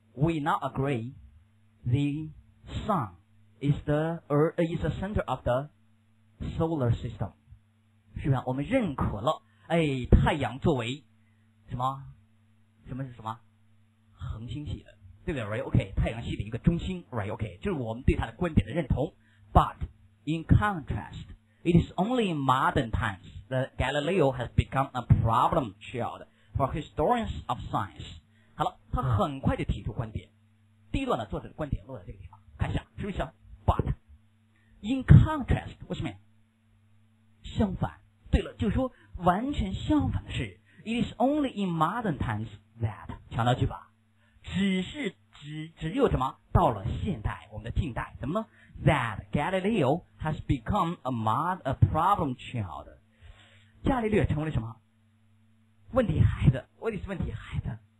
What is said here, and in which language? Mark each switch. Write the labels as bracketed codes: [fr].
[en] We now agree the sun is the is the center of the solar system， [zh] 是不是？我们认可了，哎，太阳作为什么什么是什么恒星系的，对不对？ [en] right， OK， [zh] 太阳系的一个中心， right， OK， 就是我们对它的观点的认同。 [en] But in contrast， it is only in modern times that Galileo has become a problem child for historians of science。 [zh] 好了，他很快就提出观点。第一段的作者的观点落在这个地方，看一下是不是 ？ [en] But in contrast， [zh] 为什么？相反，对了，就是说完全相反的是 ， [en] It is only in modern times that， [zh] 强调句吧，只有什么到了现代，我们的近代，怎么呢 ？ [en] That Galileo has become a problem child， [zh] 伽利略成为了什么问题孩子 ？ [en] What is [zh] 问题孩子？